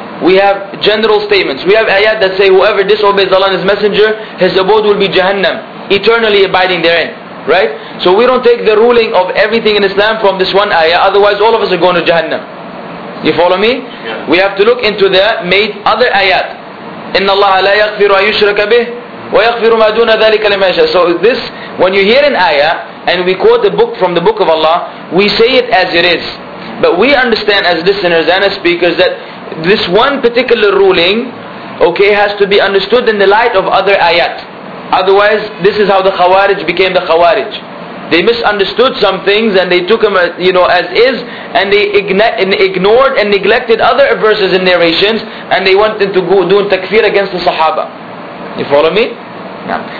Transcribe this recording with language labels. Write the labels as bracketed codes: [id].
[en] We have general statements. We have ayat that say whoever disobeys Allah and His Messenger, his abode will be Jahannam, eternally abiding therein. Right? So we don't take the ruling of everything in Islam from this one ayah, otherwise all of us are going to Jahannam. You follow me? Yeah. We have to look into the made other ayat. [ar] إن الله لا يغفر أن يشرك به ويغفر ما دون ذلك لمن يشاء. [en] So this, when you hear an ayah and we quote a book from the book of Allah, we say it as it is. But we understand as listeners and as speakers that this one particular ruling, okay, has to be understood in the light of other ayat. Otherwise, this is how the Khawarij became the Khawarij. They misunderstood some things and they took them, you know, as is, and they ignored and neglected other verses and narrations, and they wanted to go doing takfir against the Sahaba. You follow me? No.